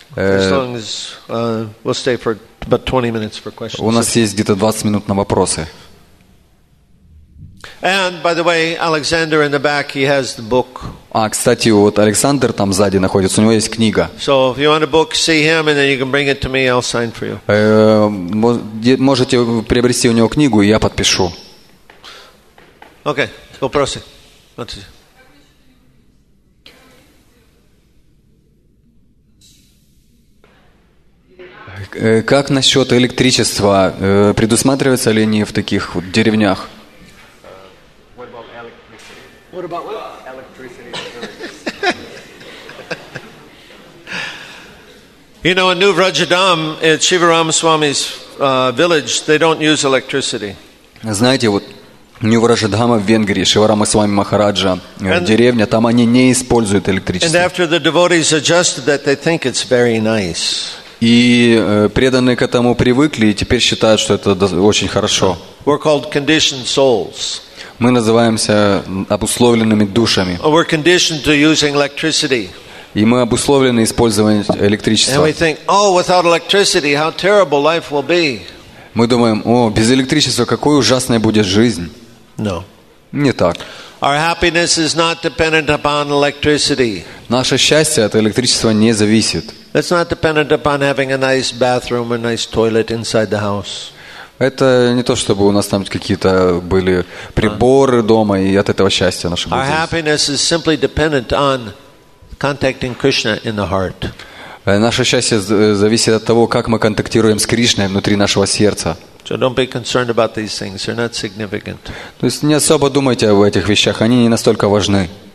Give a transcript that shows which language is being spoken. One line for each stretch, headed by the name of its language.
English: As long as we'll stay for about 20 minutes for questions.
Russian: У нас есть где-то 20 минут на вопросы.
English: And by the way, Alexander in the back, he has the book.
Russian: А, кстати, вот Александр там сзади находится, у него есть книга.
English: So if you want a book, see him and then you can bring it to me, I'll sign for you.
Russian: Можете приобрести у него книгу, и я подпишу. Okay, вопросы. Смотрите. Как насчет электричества? Предусматриваются ли они в таких вот деревнях?
English: You know, in New Vrajadam, at Shivaram Swami's village, they don't use electricity.
Russian: Знаете, вот Нью-Вражадхама в Венгрии, Шиварама Свами Махараджа, деревня, там они не используют электричество.
English: And after the devotees adjusted that, they think it's very nice.
Russian: И преданные к этому привыкли и теперь считают, что это очень хорошо.
English: We're called conditioned souls.
Russian: Мы называемся обусловленными душами.
English: We're conditioned to using electricity.
Russian: И мы обусловлены использованием электричества.
English: And we think, oh, without electricity, how terrible life will be.
Russian: Мы думаем, о, без электричества какой ужасной будет жизнь.
English: No.
Russian: Не так.
English: Our happiness is not dependent upon electricity.
Russian: Наше счастье от электричества не зависит.
English: It's not dependent upon having a nice bathroom or a nice toilet inside the house.
Russian: Это не то, чтобы у нас там какие-то были приборы дома и от этого счастья наше будет.
English: Our happiness is simply dependent on contacting Krishna in the heart.
Russian: Наше счастье зависит от того, как мы контактируем с Кришной внутри нашего сердца.
English: So don't be concerned about these things. They're not significant.
Russian: То есть не особо думайте об этих вещах. Они не настолько важны.